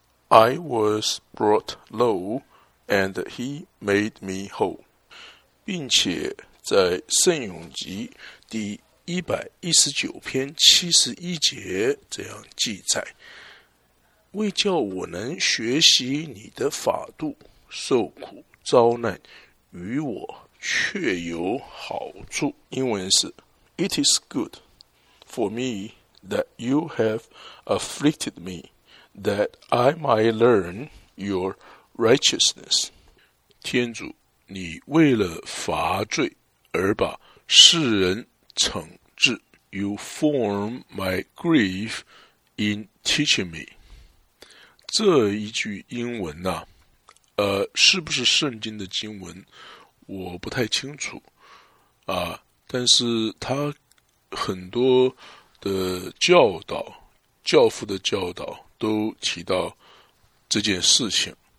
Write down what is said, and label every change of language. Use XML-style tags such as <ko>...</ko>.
<en>I was brought low, and he made me whole.</en> <zh>并且在圣咏集第119篇71节这样记载，为叫我能学习你的法度，受苦遭难于我却有好处。英文是</zh> <en>It is good for me that you have afflicted me, that I might learn your righteousness. 天主，</en> <zh>你为了罚罪而把世人惩治。</zh> <en>You form my grief in teaching me。</en> <zh>这一句英文呢、啊，是不是圣经的经文我不太清楚啊，但是他很多的教导，教父的教导都提到这件事情。</zh>